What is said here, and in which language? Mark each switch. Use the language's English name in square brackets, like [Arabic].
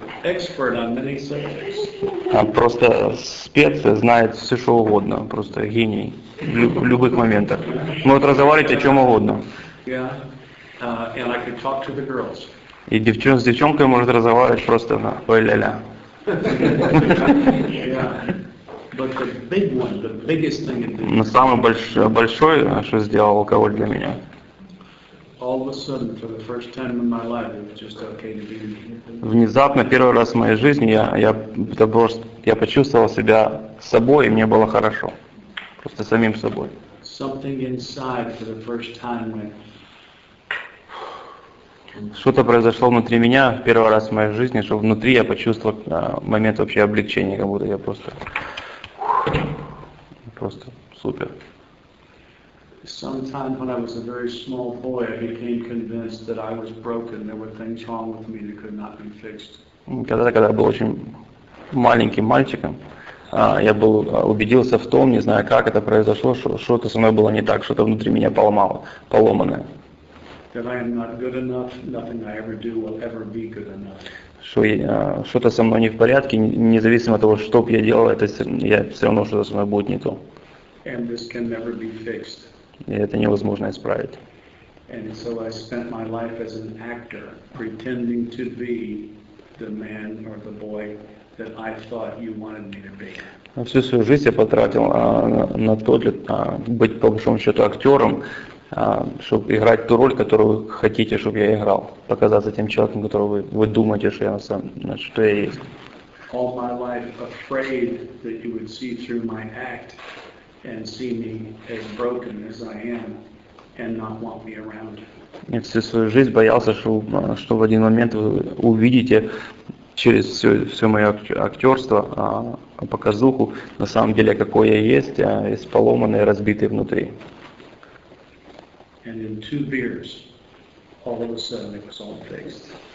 [English] Expert on many subjects. [Russian] Просто спец, знает все что угодно, просто гений. В любых моментах. Может разговаривать о чем угодно. [English] Yeah. And I could talk to the girls. [Russian] И с девчонкой может разговаривать просто на ой-ля-ля. [English] But the big one, the biggest thing in the [Russian] world. Но самое большое, что сделал алкоголь для меня. [English] All of a sudden, for the first time in my life, it was just okay to be in here. [Russian] Внезапно, первый раз в моей жизни, я почувствовал себя собой, и мне было хорошо. Просто самим собой. [English] Something inside for the first time went. [Russian] Что-то произошло внутри меня в первый раз в моей жизни, что внутри я почувствовал момент вообще облегчения, как будто я просто супер. [English] Sometime when I was a very small boy, I became convinced that I was broken. There were things wrong with me that could not be fixed. [Russian] Когда я был очень маленьким мальчиком, я был убедился в том, не знаю, как это произошло, что что-то со мной было не так, что-то внутри меня поломанное. [English] That I am not good enough. Nothing I ever do will ever be good enough. [Russian] Что-то со мной не в порядке, независимо от того, что бы я делал, я все равно что-то со мной будет не то. [English] And this can never be fixed. [Russian] И это невозможно исправить. [English] And so I spent my life as an actor, pretending to be the man or the boy that I thought you wanted me to be. [Russian] Всю свою жизнь я потратил на то, чтобы быть по большому счету актером, чтобы играть ту роль, которую вы хотите, чтобы я играл, показаться тем человеком, которого вы думаете, что я на самом, что я есть. [English] All my life afraid that you would see through my act and see me as broken as I am and not want me around. [Russian] Я всю свою жизнь боялся, что в один момент вы увидите через все мое актерство, показуху, на самом деле, какой я есть, из поломанной, разбитой внутри. [English] And in two beers, all of a sudden it was all fixed.